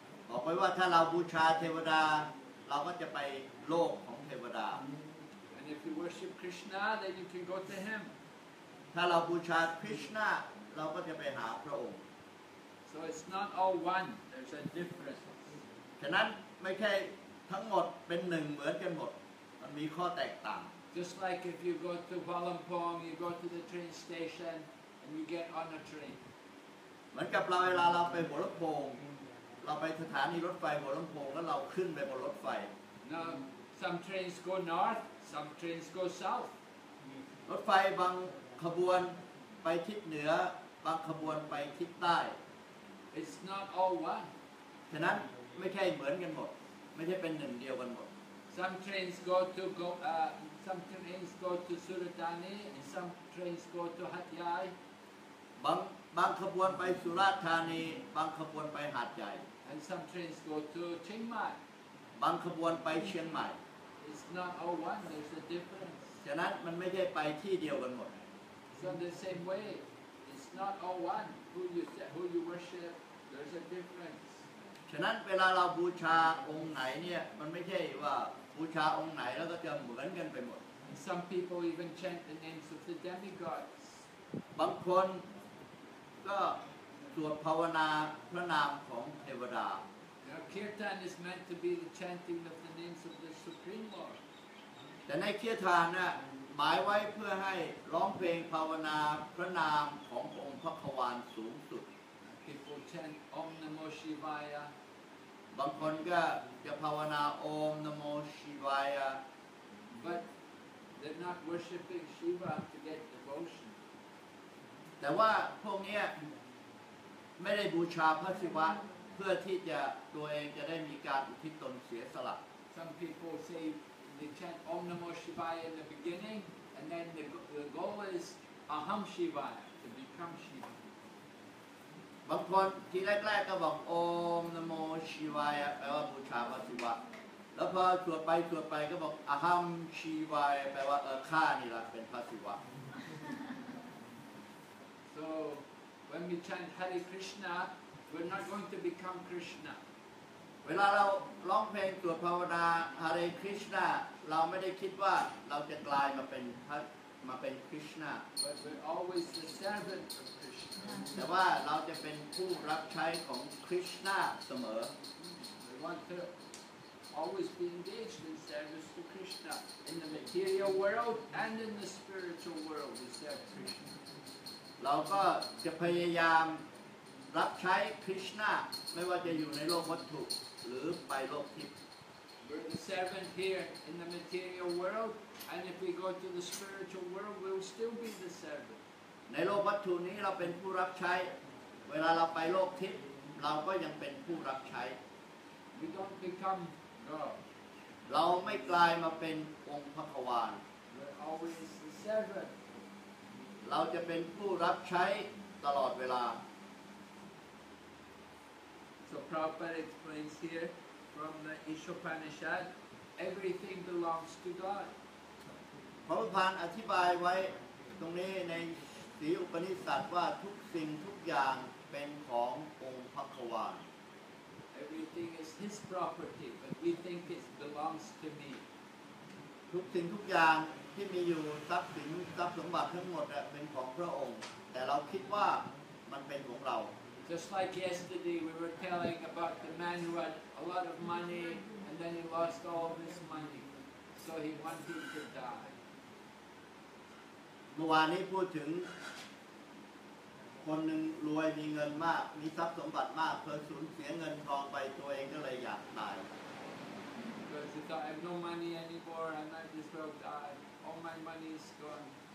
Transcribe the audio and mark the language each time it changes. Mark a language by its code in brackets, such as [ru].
[th] บอกไว้ว่าถ้าเราบูชาเทวดาเราก็จะไปโลกของเทวดา [en] And if you worship Krishna then you can go to him [th] ถ้าเราบูชาคริชนาเราก็จะไปหาพระองค์ [en] So it's not all one. There's a difference. [th] ฉะนั้นไม่ใช่ทั้งหมดเป็นหนึ่งเหมือนกันหมดมันมีข้อแตกต่าง [en] Just like if you go to Kuala Lumpur, you go to the train station and you get on a train. [th] เหมือนกับเราเวลาเราไปหัวลำโพงเราไปสถานีรถไฟหัวลำโพงแล้วเราขึ้นไปบนรถไฟ [en] Now some trains go north, some trains go south. [th] รถไฟบางขบวนไปทิศเหนือบางขบวนไปทิศใต้ [en] It's not all one. [th] ฉะนั้นไม่ใช่เหมือนกันหมดไม่ใช่เป็นหนึ่งเดียวกันหมด [en] Some trains go to some trains go to Suratani and some trains go to Hat Yai. [th] บางขบวนไปสุราษฎร์ธานีบางขบวนไปหาดใหญ่ [en] And some trains go to Chiang Mai. [th] บางขบวนไปเชียงใหม่ [en] It's not all one. There's a difference. [th] ฉะนั้นมันไม่ได้ไปที่เดียวกันหมด [en] So the same way, it's not all one. Who you worship, there's a difference. [th] ฉะนั้นเวลาเราบูชาองค์ไหนเนี่ยมันไม่ใช่ว่าบูชาองค์ไหนแล้วก็จะเหมือนกันไปหมด [en] Some people even chant the names of the demigods. [th] บางคนก็สวดภาวนาพระนามของเทวดา [en] Kirtan is meant to be the chanting of the names of the Supreme Lord. [th] แต่ในคีร์ทานน่ะหมายไว้เพื่อให้ร้องเพลงภาวนาพระนามขององค์พระควานสูงสุด [en] People chant Om Namo Shivaya. [th] บางคนก็จะภาวนา Om Namo Shivaya. [en] But they're not worshiping Shiva to get devotion. [th] แต่ว่าพวกเนี้ยไม่ได้บูชาพระศิวะเพื่อที่จะตัวเองจะได้มีการอุทิศตนเสียสละ [en] Some people say they chant Om Namo Shivaya in the beginning and then the goal is Aham Shivaya to become Shiva [th] บางคนที่แรกๆก็บอก Om Namo Shivaya แปลว่าบูชาพระศิวะแล้วพอสวดไปสวดไปก็บอก Aham Shivaya แปลว่าข้านี่แหละเป็นพระศิวะ [en] SoWhen we chant Hare Krishna, we're not going to become Krishna. [th] เวลาเราร้องเพลงสวดภาวนา Hare Krishna, เราไม่ได้คิดว่าเราจะกลายมาเป็น Krishna. [en] But we're always the servant of Krishna. [th] แต่ว่าเราจะเป็นผู้รับใช้ของ Krishna เสมอ [en] We want to always be engaged in service to Krishna in the material world and in the spiritual world. We serve Krishna. [th] เราก็จะพยายามรับใช้คริชนาไม่ว่าจะอยู่ในโลกวัตถุหรือไปโลกทิพย์ [en] We're the servant here in the material world and if we go to the spiritual world we'll still be the servant [th] ในโลกวัตถุนี้เราเป็นผู้รับใช้เวลาเราไปโลกทิพย์เราก็ยังเป็นผู้รับใช้ [en] We don't become God [th] เราไม่กลายมาเป็นองค์พระควาน [en] We're always the servant [th] เราจะเป็นผู้รับใช้ตลอดเวลา [en] So Prabhupada explains here from the Ishopanishad everything belongs to God [th] พระพุทธานอธิบายไว้ตรงนี้ในสีอุปนิสสัทว่าทุกสิ่งทุกอย่างเป็นขององค์พระผู้เป็นเจ้า [en] Everything is his property but we think it belongs to me [th] ทุกสิ่งทุกอย่างที่มีอยู่ทรัพย์สินทรัพย์สมบัติทั้งหมดเป็นของพระองค์แต่เราคิดว่ามันเป็นของเรา [en] Just like yesterday we were telling about the man who had a lot of money and then he lost all of his money so he wanted to die [th] เมื่อวานนี้พูดถึงคนหนึ่งรวยมีเงินมากมีทรัพย์สมบัติมากเพิ่งสูญเสียเงินทองไปตัวเองก็เลยอยากตาย [en] Because he thought, I have no money anymore, I might as well die. All my money is gone.